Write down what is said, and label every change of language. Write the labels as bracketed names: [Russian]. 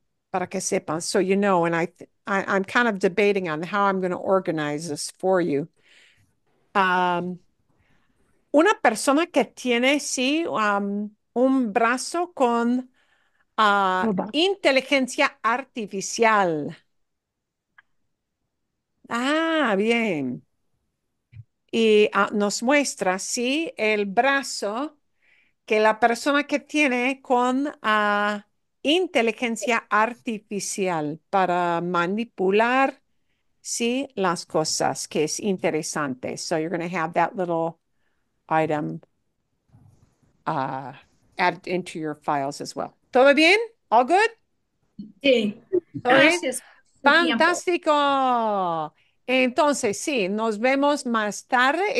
[Spanish] Para que sepan, [English] so you know, and I'm kind of debating on how I'm going to organize this for you. [Spanish] Una persona que tiene, sí, un brazo con... inteligencia artificial. Bien. Y nos muestra, sí, el brazo que la persona que tiene con inteligencia artificial para manipular, sí, las cosas, que es interesante. [English] So you're going to have that little item added into your files as well. [Spanish] ¿Todo bien? [English] ¿All good? [Spanish] Sí. Gracias. ¡Fantástico! Entonces, sí, nos vemos más tarde.